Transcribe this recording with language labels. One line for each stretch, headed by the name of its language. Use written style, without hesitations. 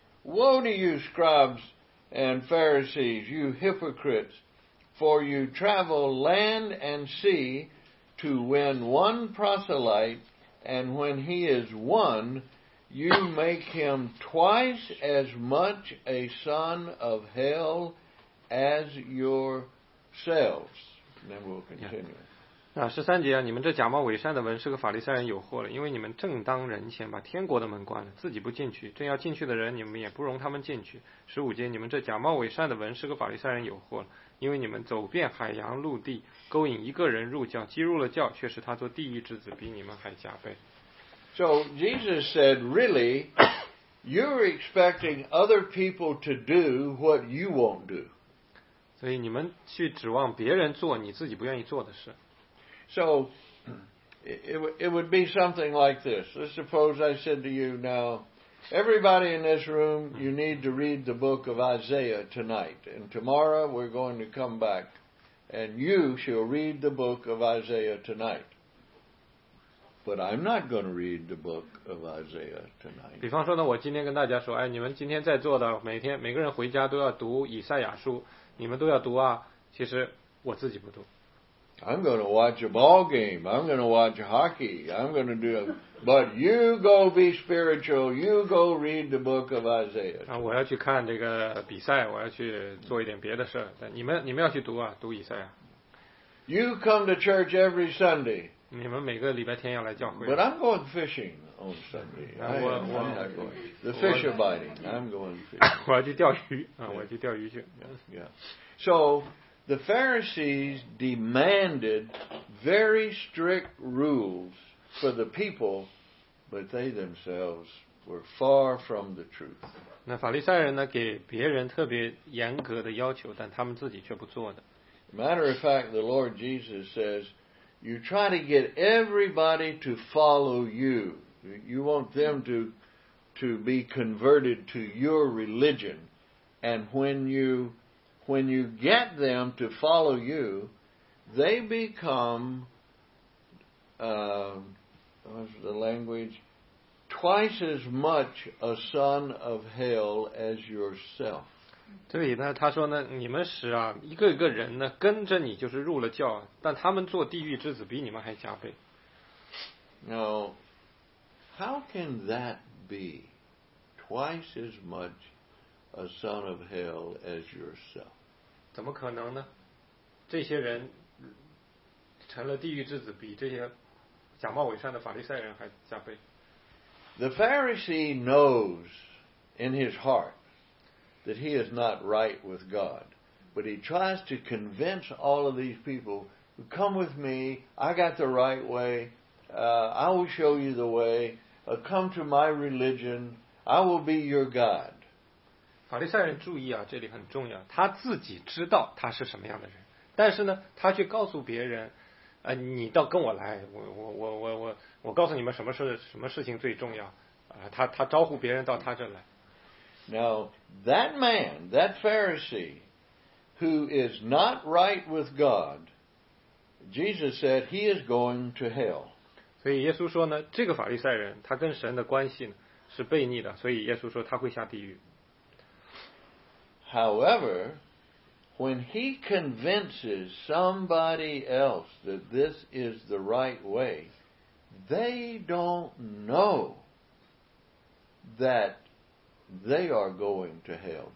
English: Woe to you, scribes and Pharisees, you hypocrites, for you travel land and sea to win one proselyte, and when he is won, you make him twice as much a son of hell as yourselves. Then we'll continue.
Chinese: 那十三节啊，你们这假冒伪善的文士和法利赛人有祸了，因为你们正当人前把天国的门关了，自己不进去，正要进去的人你们也不容他们进去。十五节，你们这假冒伪善的文士和法利赛人有祸了，因为你们走遍海洋陆地，勾引一个人入教，既入了教，却使他做地狱之子，比你们还加倍。
English: So Jesus said, really, you're expecting other people to do what you won't do.
Chinese: 所以你们去指望别人做你自己不愿意做的事。
English: So it would be something like this. Let's suppose I said to you now, everybody in this room, you need to read the book of Isaiah tonight. And tomorrow we're going to come back and you shall read the book of Isaiah tonight. But I'm not going to read the book of Isaiah tonight.
Chinese: 比方说呢，我今天跟大家说，哎，你们今天在座的每天每个人回家都要读以赛亚书，你们都要读啊，其实我自己不读。
English: I'm going to watch a ball game. I'm going to watch hockey. I'm going to do it. But you go be spiritual. You go read the book of Isaiah.
Chinese: 我要去看这个比赛，我要去做一点别的事。你们要去读啊，读以赛亚。
English: You come to church every Sunday.
Chinese: 你们每个礼拜天要来教会。
English: But I'm going fishing on Sunday. I'm not going. The fish are biting. I'm going fishing.
Chinese: 我要去钓鱼啊，我要去钓鱼去。
English: Yeah. So the Pharisees demanded very strict rules for the people, but they themselves were far from the truth.
Chinese: 那法利赛人呢，给别人特别严格的要求，但他们自己却不做的。
English: Matter of fact, the Lord Jesus says, you try to get everybody to follow you. You want them to be converted to your religion. And when you get them to follow you, they become, what's the language, twice as much a son of hell as yourself.
Chinese: 对，那他说呢，你们使啊一个一个人呢跟着你就是入了教，但他们做地狱之子比你们还加倍。
English: Now, how can that be twice as much a son of hell as yourself?
Chinese: 怎么可能呢？这些人成了地狱之子，比这些假冒伪善的法利赛人还加倍。
English: The Pharisee knows in his heart that he is not right with God, but he tries to convince all of these people, "Come with me. I got the right way. I will show you the way. Come to my religion. I will be your God."
Chinese: 法利赛人注意啊，这里很重要。他自己知道他是什么样的人，但是呢，他却告诉别人。你倒跟我来，我告诉你们什么事情最重要，他招呼别人到他这来。
English: Now that man, that Pharisee, who is not right with God, Jesus said he is going to hell.
Chinese: 所以耶稣说呢，这个法利赛人他跟神的关系呢是悖逆的，所以耶稣说他会下地狱。
English: However,When he convinces somebody else that this is the right way, they don't know that they are going to hell.